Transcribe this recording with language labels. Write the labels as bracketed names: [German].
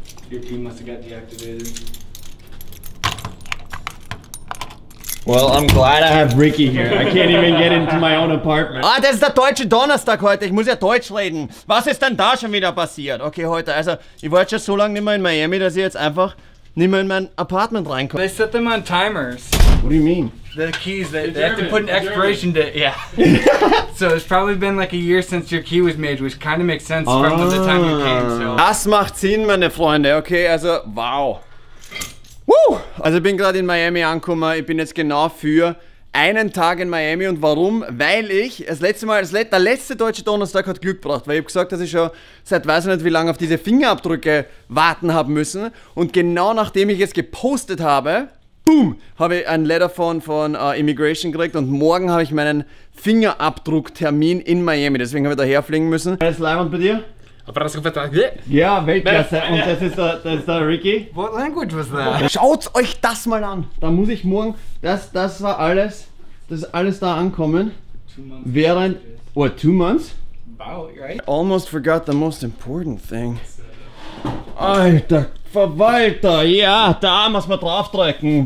[English] Your team must have got deactivated. Well, I'm glad I have Ricky here. I can't even get into my own apartment. [German] Ah, das ist der deutsche Donnerstag heute. Ich muss ja Deutsch reden. Was ist denn da schon wieder passiert? Okay, heute, also, ich war jetzt schon so lange nicht mehr in Miami, dass ich jetzt einfach nicht mehr in mein Apartment reinkomme. [English] They set them on timers. What do you mean? The keys, they have to put an expiration date. Yeah. So it's probably been like a year since your key was made, which kind of makes sense from the time you came. So. [German] Das macht Sinn, meine Freunde. Okay, also, wow. Woo! Also ich bin gerade in Miami angekommen, ich bin jetzt genau für einen Tag in Miami und warum? Weil ich das letzte Mal, der letzte deutsche Donnerstag hat Glück gebracht, weil ich habe gesagt, dass ich schon seit weiß ich nicht wie lange auf diese Fingerabdrücke warten haben müssen und genau nachdem ich es gepostet habe, boom, habe ich ein Letter von Immigration gekriegt und morgen habe ich meinen Fingerabdrucktermin in Miami, deswegen habe ich daher fliegen müssen. Alles live und bei dir? Ja, Weltklasse. Und das ist der Ricky. [English] What language was that? [German] Schaut euch das mal an. Da muss ich morgen, das war alles, das ist alles da ankommen. [English] 2 months. [German] Während, [English] what, 2 months? About, right? I almost forgot the most important thing. [German] Alter, Verwalter, ja, da muss man draufdrücken.